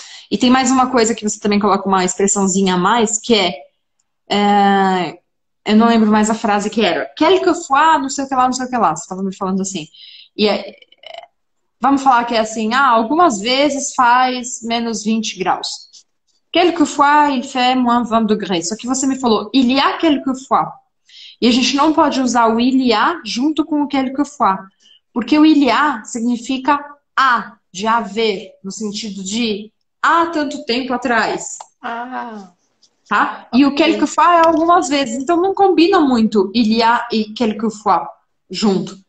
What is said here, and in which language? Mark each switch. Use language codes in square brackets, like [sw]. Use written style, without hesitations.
[pt] E tem mais uma coisa que você também coloca uma expressãozinha a mais, que é, eu não lembro mais a frase que era, quelquefois, não sei o que lá, não sei o que lá, você estava me falando assim. E é, vamos falar que é assim, ah, algumas vezes faz menos 20 graus. [fr] Quelquefois, il fait moins 20 degrés. [pt] Só que você me falou, [fr] il y a quelquefois. [pt] E a gente não pode usar o il y a junto com o quelquefois, porque o il y a significa a. De haver, no sentido de há tanto tempo atrás. Tá? E o quelquefois é algumas vezes. Então não combina muito il y a e quelquefois junto.